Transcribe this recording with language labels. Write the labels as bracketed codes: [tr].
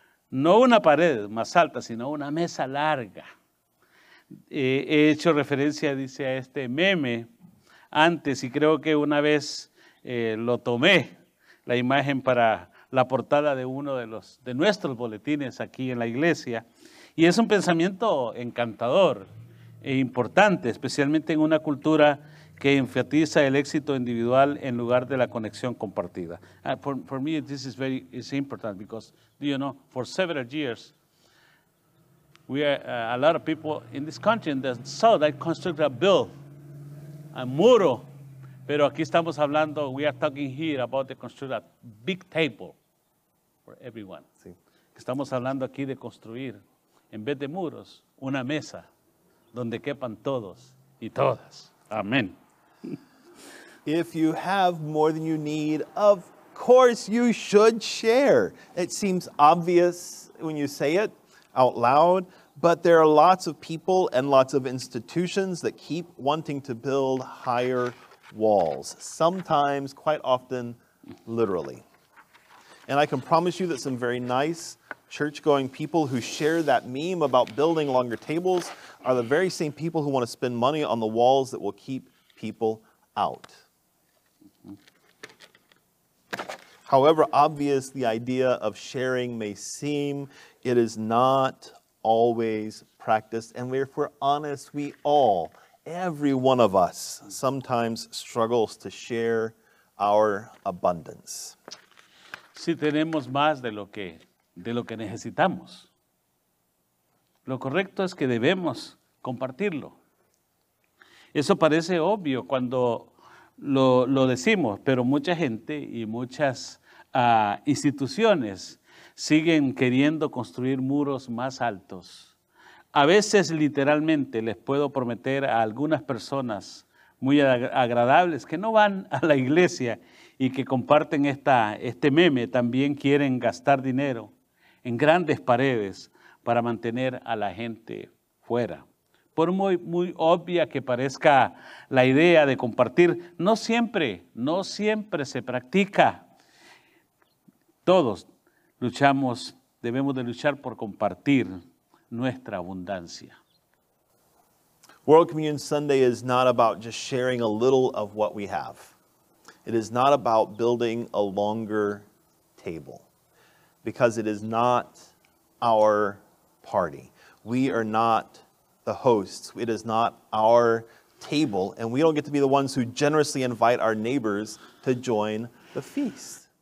[es] No una pared más alta, sino una mesa larga. He hecho referencia, dice, a este meme antes, y creo que una vez lo tomé, la imagen para la portada de uno de nuestros boletines aquí en la iglesia. Y es un pensamiento encantador e importante, especialmente en una cultura que enfatiza el éxito individual en lugar de la conexión compartida. [en] For me, this is very it's important because, do you know, for several years, we are a lot of people in this country in the South that construct a bill. [es] A muro, pero aquí estamos hablando, [en] we are talking here about the construct a big table for everyone. [es] Sí. Estamos hablando aquí de construir, en vez de muros, una mesa donde quepan todos y todas. Amén. [en] If you have more than you need, of course you should share. It seems obvious when you say it out loud. But there are lots of people and lots of institutions that keep wanting to build higher walls, sometimes, quite often, literally. And I can promise you that some very nice church-going people who share that meme about building longer tables are the very same people who want to spend money on the walls that will keep people out. However obvious the idea of sharing may seem, it is not always practiced, and if we're honest, we all, every one of us, sometimes struggles to share our abundance. [es] Si tenemos más de lo que necesitamos, lo correcto es que debemos compartirlo. Eso parece obvio cuando lo decimos, pero mucha gente y muchas instituciones siguen queriendo construir muros más altos. A veces, literalmente, les puedo prometer a algunas personas muy agradables que no van a la iglesia y que comparten este meme, también quieren gastar dinero en grandes paredes para mantener a la gente fuera. Por muy, muy obvia que parezca la idea de compartir, no siempre se practica. Todos luchamos, debemos de luchar por compartir nuestra abundancia. [en] World Communion Sunday is not about just sharing a little of what we have. It is not about building a longer table because it is not our party. We are not the hosts. It is not our table, and we don't get to be the ones who generously invite our neighbors to join the feast.